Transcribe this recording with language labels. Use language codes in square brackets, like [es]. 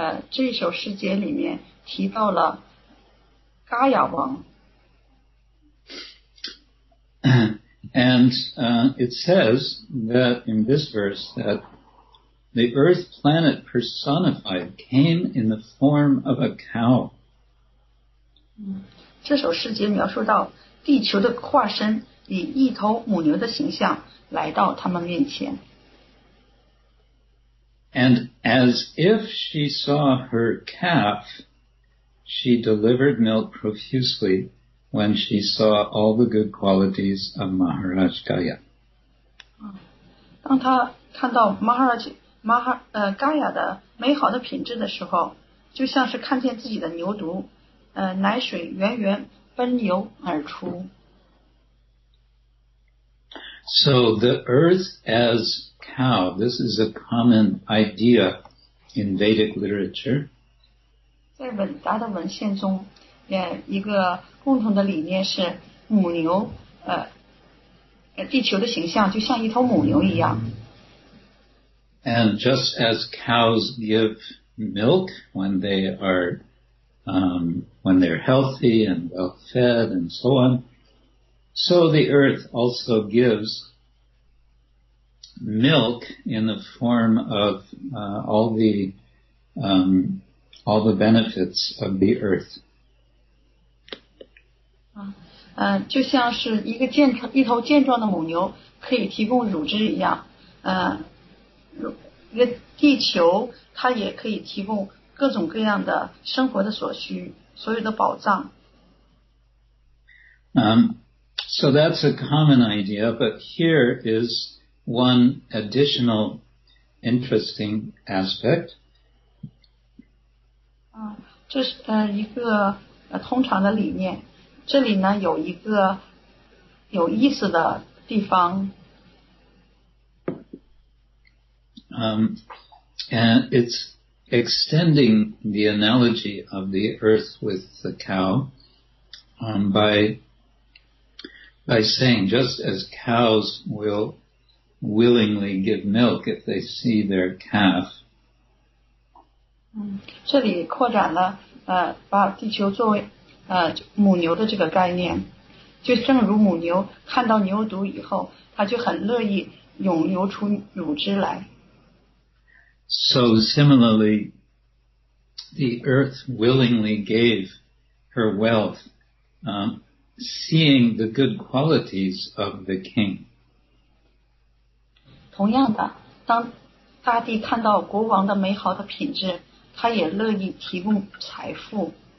[zh] 这首诗节里面提到了 Gaya 王。 [en] And it says that in this verse that the earth planet personified came in the form of a cow. [zh] 这首诗节描述到地球的化身以一头母牛的形象来到他们面前。 [en] And as if she saw her calf, she delivered milk profusely. When she saw all the good qualities of Maharaj Gaya. [zh] 当她看到 Gaya 的美好的品质的时候，就像是看见自己的牛犊，奶水源源奔流而出。 [en] So the earth as cow, this is a common idea in Vedic literature. [zh] 在文达的文献中，一个共同的理念是母牛，地球的形象就像一头母牛一样。 [en] And just as cows give milk when they are, when they're healthy and well fed and so on, so the earth also gives milk in the form of all the benefits of the earth. [zh] 就像是一个健一头健壮的母牛可以提供乳汁一样，一个地球它也可以提供各种各样的生活的所需，所有的保障。 [en] So that's a common idea, but here is one additional interesting aspect. [zh] 这是一个通常的理念。这里呢有一个有意思的地方。 [en] And it's extending the analogy of the earth with the cow by saying just as cows will willingly give milk if they see their calf. [zh] 这里扩展了把地球作为母牛的这个概念，就正如母牛看到牛犊以后，它就很乐意涌流出乳汁来。 [en] So similarly, the earth willingly gave her wealth, seeing the good qualities of the king. [zh] 同样的，当大地看到国王的美好的品质，他也乐意提供财富。